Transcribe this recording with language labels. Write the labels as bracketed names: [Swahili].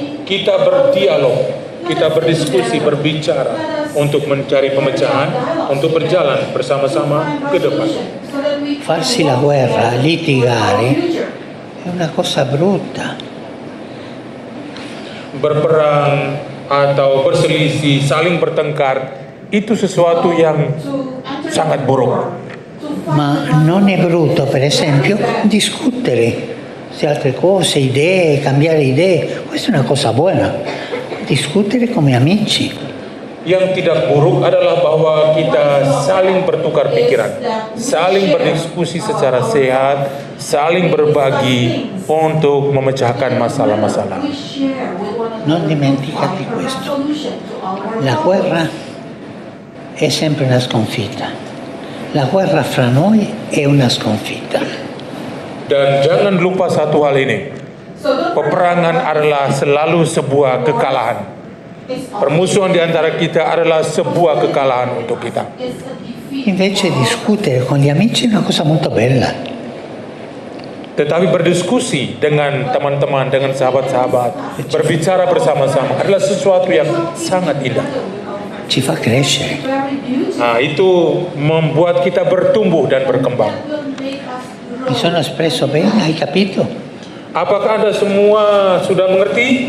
[Indonesian] Kita berdialog, kita berdiskusi, berbicara untuk mencari pemecahan, untuk berjalan bersama-sama ke depan. [Italian] Farsi la guerra, litigare, è una cosa brutta. [Indonesian] Berperang atau berselisih, saling bertengkar, itu sesuatu yang sangat buruk. [Italian] Ma non è brutto, per esempio, discutere di altre cose, idee, cambiare idee. Questa è una cosa buona. Discutere come amici. [Indonesian] Yang tidak buruk adalah bahwa kita saling bertukar pikiran, saling berdiskusi secara sehat, saling berbagi untuk memecahkan masalah-masalah. [Italian] Non dimenticate questo. La guerra è sempre una sconfitta. La guerra fra noi è una sconfitta. [Indonesian] Dan jangan lupa satu hal ini. Peperangan adalah selalu sebuah kekalahan. Permusuhan di antara kita adalah sebuah kekalahan untuk kita. [Italian] Invece discutere con gli amici è una cosa molto bella. [Indonesian] Tetapi berdiskusi dengan teman-teman, dengan sahabat-sahabat, berbicara bersama-sama adalah sesuatu yang sangat indah. [Italian] Ci fa crescere. [Indonesian] Nah, itu membuat kita bertumbuh dan berkembang. [Italian] Mi sono espresso bene, hai capito? [Indonesian] Apakah Anda semua sudah mengerti?